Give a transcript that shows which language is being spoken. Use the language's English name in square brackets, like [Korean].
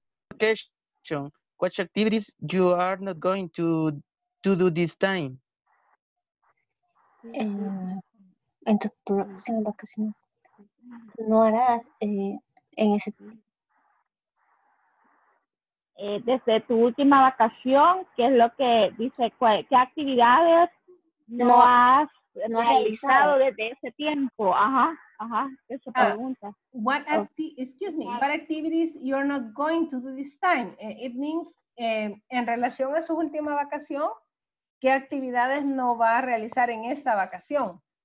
[English] Location. Which activities you are not going to do this time? [Spanish] En tus próximas vacaciones no harás en ese desde tu última vacación, ¿qué es lo que dice? ¿Qué actividades no has realizado desde ese tiempo? Ajá, ajá, esa pregunta. [English] What activities you are not going to do this time? It means [Spanish] en relación a su última vacación, ¿qué actividades no va a realizar en esta vacación?